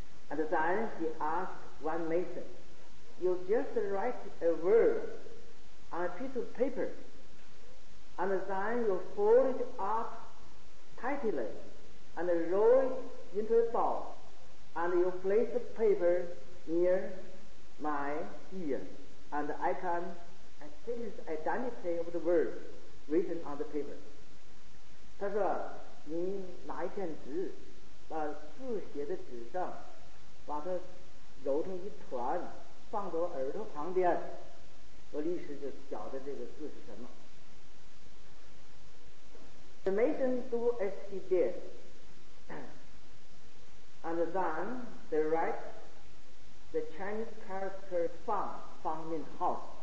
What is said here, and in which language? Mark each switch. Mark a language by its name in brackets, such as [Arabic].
[English] And then he asked one mason, you just write a word on a piece of paper and then you fold it up tightly and roll it into a ball and you place the paper near my ear and I can see the identity of the word written on the paper. [Chinese] 他说你拿一片纸把字写在纸上把它揉成一团放到耳朵旁边我立时就晓得这个字是什么。 [English] The mason do as he did, and then they write the Chinese character Fang, Fang Min Hao.